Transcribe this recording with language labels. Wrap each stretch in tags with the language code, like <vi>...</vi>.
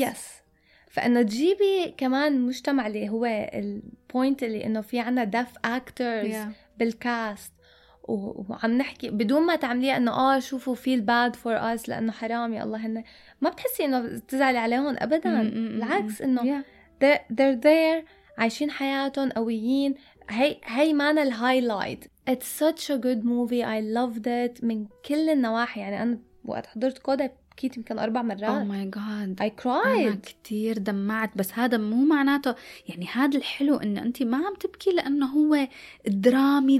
<ar>يس، فانه تجيبي كمان مجتمع اللي هو البوينت اللي انه في عنا</ar> <en>deaf actors</en> <ar>بالكاست وعم نحكي بدون ما تعمليه انه شوفوا</ar> <en>feel bad for us</en> <ar>لانه حرام يا الله، هن ما بتحسي انه تزعلي عليهم ابدا. العكس انه</ar> <en>they're there</en> <ar>عايشين حياتهم قويين، هي معنا الهايلايت.</ar> <en>it's such a good movie I loved it</en> <ar>من كل النواحي. يعني انا وقت حضرت كودا كيت يمكن 4 مرات.</ar> <en>Oh my god I cried،</en> <ar>انا كتير دمعت. بس هذا مو معناته يعني هذا الحلو انه انت ما عم تبكي لانه هو درامي</ar>